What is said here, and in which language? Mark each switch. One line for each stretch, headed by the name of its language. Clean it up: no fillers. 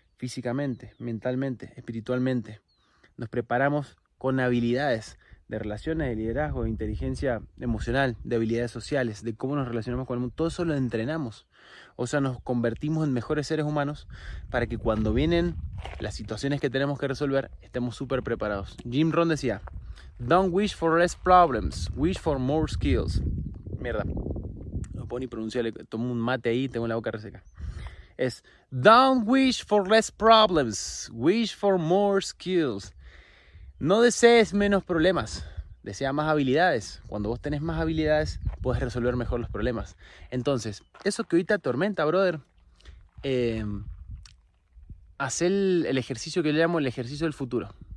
Spanish: Físicamente, mentalmente, espiritualmente. Nos preparamos con habilidades. de relaciones, de liderazgo, de inteligencia emocional, de habilidades sociales, de cómo nos relacionamos con el mundo, todo eso lo entrenamos. O sea, nos convertimos en mejores seres humanos para que cuando vienen las situaciones que tenemos que resolver, estemos súper preparados. Jim Rohn decía,
English: don't wish for less problems, wish for more skills.
Spanish: Mierda, no puedo ni pronunciarle, tomo un mate ahí, tengo la boca reseca. Es,
English: don't wish for less problems, wish for more skills.
Spanish: No desees menos problemas, desea más habilidades. Cuando vos tenés más habilidades, puedes resolver mejor los problemas. Entonces, eso que hoy te atormenta, brother, haz el ejercicio que yo llamo el ejercicio del futuro.